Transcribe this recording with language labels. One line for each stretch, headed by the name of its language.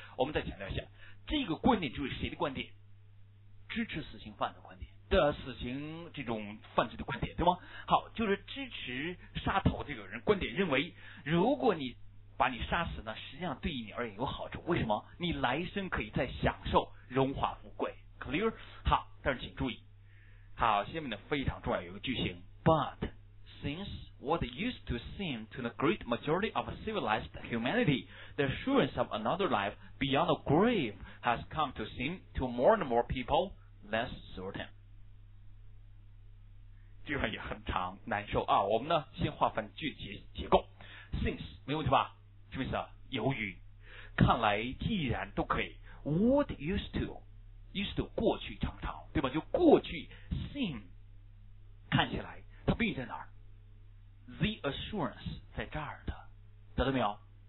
Chinese: 我们再强调一下，这个观点就是谁的观点？支持死刑犯的观点，的死刑这种犯罪的观点，对吗？好，就是支持杀头这个人观点，认为如果你把你杀死呢，实际上对于你而言有好处。为什么？你来生可以再享受荣华富贵。clear？好，但是请注意，好，下面的非常重要，有个句型
English: but since what used to seem to the great majority of civilized humanity the assurance of another life beyond the grave has come to seem to more and more people less certain。
Chinese: 这样也很长，难受啊！我们呢，先划分句子结构。 Since 没问题吧？什么意思啊？由于，看来既然都可以。
English: What used to
Chinese: 过去常常，对吧？就过去 seem 看起来，它必须在哪儿 ？The assurance 在这儿的，找到没有？